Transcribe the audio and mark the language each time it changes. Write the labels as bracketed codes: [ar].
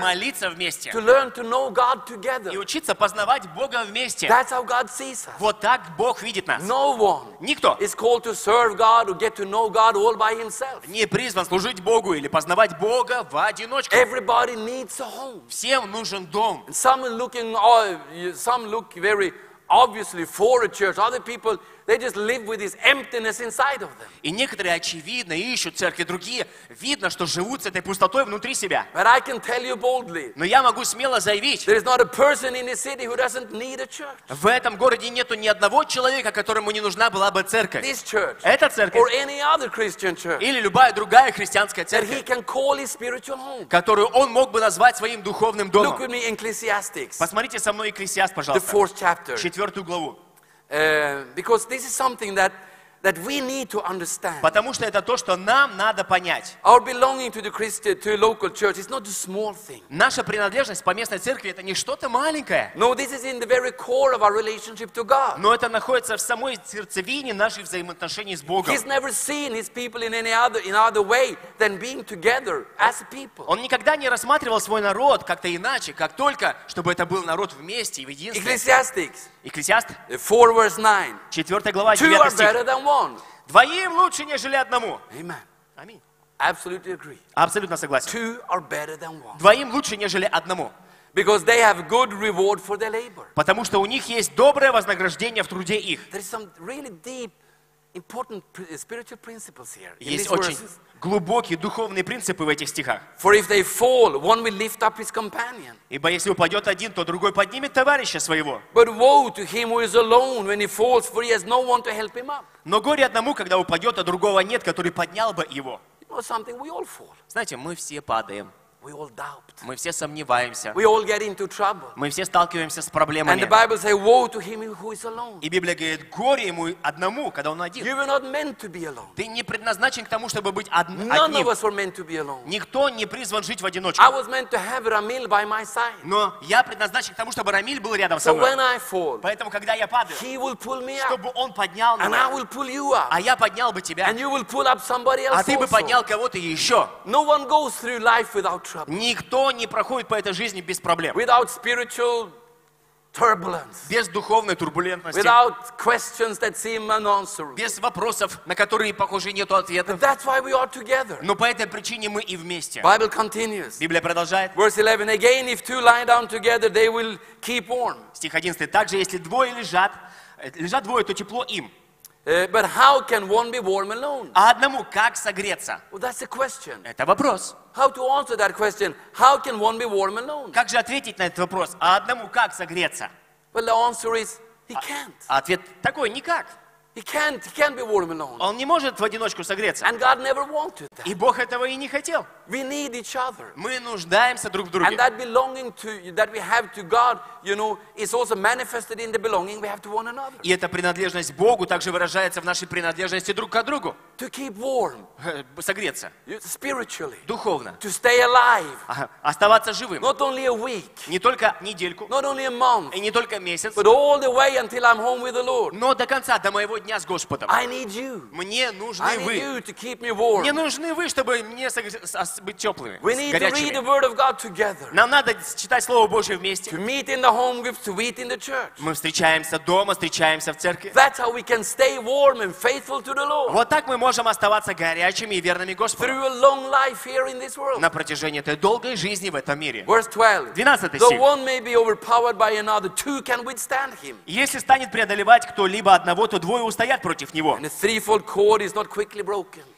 [ru] Молиться вместе. [en] To learn to know God together. [ru] И учиться познавать Бога вместе. [en] That's how God sees us. [ru] Вот так Бог видит нас. [en] No one. [ru] Никто. [en] Is called to serve God or get to know God all by himself. [ru] Не призван служить Богу или познавать Бога в одиночку. [en] Everybody needs a home. [ru] Всем нужен дом. [en] And some look very obviously for a church. Other people, they just live with this emptiness inside of them. [ru] И некоторые очевидно ищут церкви, другие видно, что живут с этой пустотой внутри себя. [en] But I can tell you boldly. [ru] Но я могу смело заявить. [en] There is not a person in this city who doesn't need a church. [ru] В этом городе нету ни одного человека, которому не нужна была бы церковь. [en] This church. [ru] Эта церковь. [en] Or any other Christian church. [ru] Или любая другая христианская церковь. [en] That he can call his spiritual home. [ru] Которую он мог бы назвать своим духовным домом. [en] Look with me, Ecclesiastics. [ru] Посмотрите со мной Екклесиаст, пожалуйста. [en] The fourth chapter. [ru] Четвертую главу. [en] Because this is something that that we need to understand. [ru] Потому что это то, что нам надо понять. [en] Our belonging to the Christian, to a local church, is not a small thing. [ru] Наша принадлежность по местной церкви это не что-то маленькое. [en] No, this is in the very core of our relationship to God. [ru] Но это находится в самой сердцевине наших взаимоотношений с Богом. [en] He's never seen his people in any other way than being together as a people. [ru] Он никогда не рассматривал свой народ как-то иначе, как только чтобы это был народ вместе и в единстве. [en] Ecclesiastes. Ecclesiast. 4 verse 9. [ru] 4 глава, 9 стих. Двоим лучше, нежели одному. Аминь. Абсолютно согласен. [en] Two are better than one. [ru] Двоим лучше, нежели одному. [en] Because they have good reward for their labor. [ru] Потому что у них есть доброе вознаграждение в труде их. [en] There is some really deep, important spiritual principles here. [ru] Есть очень глубокие духовные принципы в этих стихах. [en] For if they fall, one will lift up his companion. [ru] Ибо если упадет один, то другой поднимет товарища своего. [en] But woe to him who is alone when he falls, for he has no one to help him up. [ru] Но горе одному, когда упадет, а другого нет, который поднял бы его. Знаете, мы все падаем. Мы все сомневаемся. Мы все сталкиваемся с проблемами. И Библия говорит, горе ему одному, когда он один. Ты не предназначен к тому, чтобы быть одним. Никто не призван жить в одиночку. Но я предназначен к тому, чтобы Рамиль был рядом со мной. Поэтому, когда я падаю, чтобы он поднял меня, а я поднял бы тебя, а ты бы поднял кого-то еще. Никто не проходит через жизнь без проблем. Никто не проходит по этой жизни без проблем. [en] Without spiritual turbulence. [ru] Без духовной турбулентности. [en] Without questions that seem unanswered. [ru] Без вопросов, на которые, похоже, нет ответов. [en] But that's why we are together. [ru] Но по этой причине мы и вместе. [en] Bible continues. [ru] Библия продолжает. [en] Verse 11. Again, if two lie down together, they will keep warm. [ru] Стих 11. Также, если двое лежат, то тепло им. [en] But how can one be warm alone? [ru] А одному как согреться? [en] Well, that's a question. [ru] Это вопрос. [en] How to answer that question? How can one be warm alone? [ru] Как же ответить на этот вопрос? А одному как согреться? [en] Well, the answer is he can't. [ru] Ответ такой: никак. [en] He can't be warm alone. [ru] Он не может в одиночку согреться. [en] And God never wanted that. [ru] И Бог этого и не хотел. [en] We need each other. [ru] Мы нуждаемся друг в друге. [en] And that belonging to that we have to God, you know, is also manifested in the belonging we have to one another. [ru] И эта принадлежность Богу также выражается в нашей принадлежности друг к другу. [en] To keep warm. [ru] Согреться. [en] Spiritually. [ru] Духовно. [en] To stay alive. [ru] Оставаться живым. [en] Not only a week. [ru] Не только недельку. [en] Not only a month. [ru] И не только месяц. [en] But all the way until I'm home with the Lord. [ru] Но до конца, до моего дня с Господом. [en] I need you. [ru] Мне нужны вы. [en] I need you to keep me warm. [ru] Мне нужны вы, чтобы мне согреться. Быть теплыми, [en] we need [ru] горячими. [en] To read the word of God together. [ru] Нам надо читать Слово Божье вместе. [en] To meet in the home group, to meet in the church. [ru] Мы встречаемся дома, встречаемся в церкви. [en] That's how we can stay warm and faithful to the Lord. [ru] Вот так мы можем оставаться горячими и верными Господу. [en] Through a long life here in this world. [ru] На протяжении этой долгой жизни в этом мире. [en] Verse 12. [ru] 12 стих. [en] Though one may be overpowered by another, two can withstand him. [ru] Если станет преодолевать кто-либо одного, то двое устоят против него. [en] And a threefold cord is not quickly broken.